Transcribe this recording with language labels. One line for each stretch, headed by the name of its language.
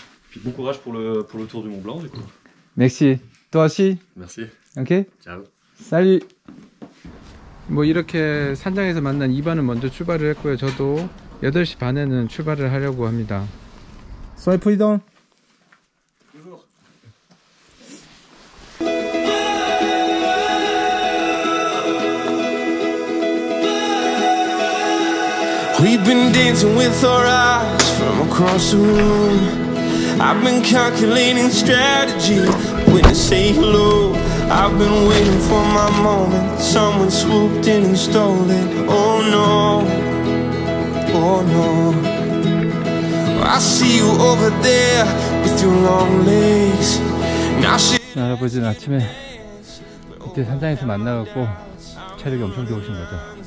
French: Puis bon courage pour le tour du Mont Blanc du coup. Merci. Toi aussi? Merci. OK? Ciao. Salut.
Korean: 뭐 이렇게 산장에서 만난 이반은 먼저 출발을 했고요. 저도 8시 반에는 출발을 하려고 합니다. 소이 프리덤. 그리고
English: We've been dancing with our eyes from across the room. I've been calculating strategy when to say hello. I've been waiting for my moment. Someone swooped in and stole it. Oh no, oh no. I see you over there with your long legs. Now she.
Korean: 할아버지는 아침에 그때 산장에서 만나갖고 체력이 엄청 좋으신 거죠.